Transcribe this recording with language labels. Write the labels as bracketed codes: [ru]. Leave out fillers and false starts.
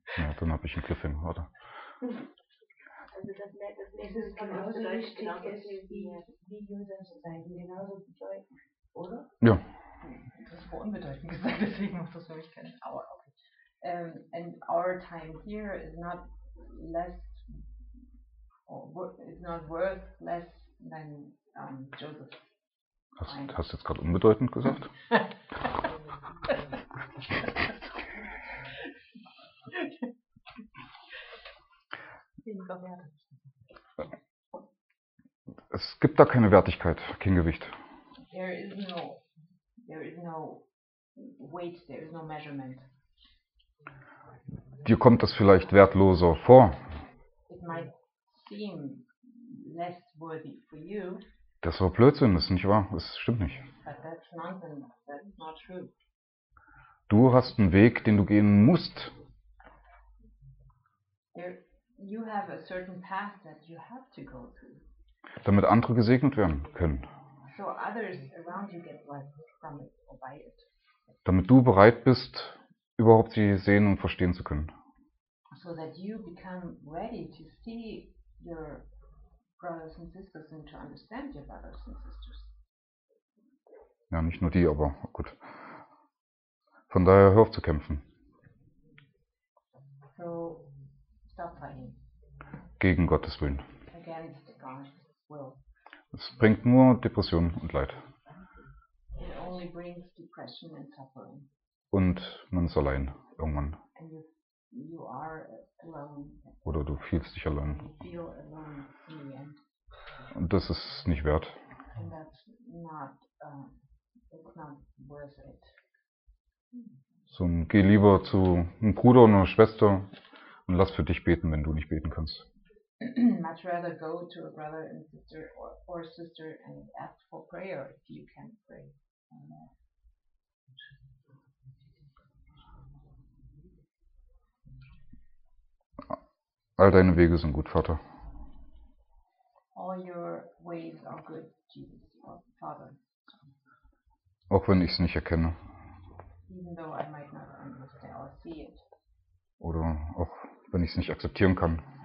[de] Ja, dann habe ich einen Cliffhanger, oder? Also das nächste ist genauso wichtig wie Josef seine Zeit. Genauso bedeutend, oder? Ja. Das war unbedeutend gesagt, deswegen muss das für mich keine Aua. Okay. [en] And our time here is not less or is not worth less than Joseph. [de] Hast du jetzt gerade unbedeutend gesagt? Okay. über Werte. Es gibt da keine Wertigkeit, kein Gewicht. [en] There is no weight, there is no measurement. [de] Dir kommt das vielleicht wertloser vor. [en] It might seem less worthy for you. [de] Das war Blödsinn, das ist nicht wahr, das stimmt nicht. [en] But that's nonsense, that's not true. [de] Du hast einen Weg, den du gehen musst. [en] You have a certain path that you have to go through. [de] Damit andere gesegnet werden können. [en] So others around you get blessed from it or by it. [de] Damit du bereit bist, überhaupt sie sehen und verstehen zu können. [en] So that you become ready to see your brothers and sisters and to understand your brothers and sisters. [de] Ja, nicht nur die, aber gut. Von daher hör auf zu kämpfen. [en] So, stop fighting. [de] Gegen Gottes Willen. [en] Against God's will. [de] Es bringt nur Depression und Leid. [en] It only brings depression and suffering. [de] Und man ist allein, irgendwann. [en] And you are alone. [de] Oder du fühlst dich allein. [en] And you feel alone in the end. [de] Und das ist nicht wert. [en] And that's not, it's not worth it. [de] So, geh lieber zu einem Bruder oder einer Schwester und lass für dich beten, wenn du nicht beten kannst. [en] Much rather go to a brother and sister or sister and ask for prayer if you can't pray. [de] All deine Wege sind gut, Vater. [en] All your ways are good, Jesus, or Father. [de] Auch wenn ich es nicht erkenne. [en] Even though I might not understand or see it. [de] Oder auch wenn ich es nicht akzeptieren kann.